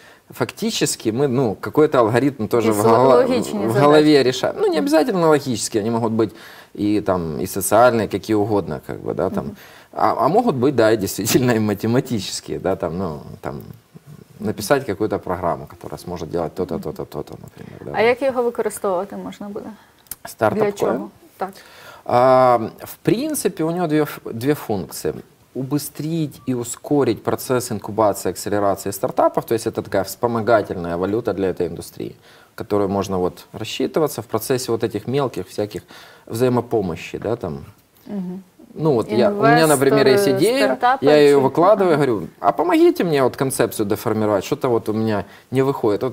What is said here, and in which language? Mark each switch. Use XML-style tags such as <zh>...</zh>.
<ru>Фактически мы, ну, какой-то алгоритм тоже в голове решаем. Ну, не обязательно логические, они могут быть и там, и социальные, какие угодно, как бы, да, там. А могут быть, да, и действительно и математические, да, там, ну, там, написать какую-то программу, которая сможет делать то-то, то-то, то-то, например. Да.</ru> <uk>А як його використовувати можна буде? Стартап для чого? Так. В принципі, у нього дві функції.</uk> <ru>Убыстрить и ускорить процесс инкубации, акселерации стартапов, то есть это такая вспомогательная валюта для этой индустрии, которую можно вот рассчитываться в процессе вот этих мелких всяких взаимопомощи, да, там. Угу. Ну вот у меня, например, есть идея, я ее выкладываю, говорю, а помогите мне вот концепцию деформировать, что-то вот у меня не выходит.</ru>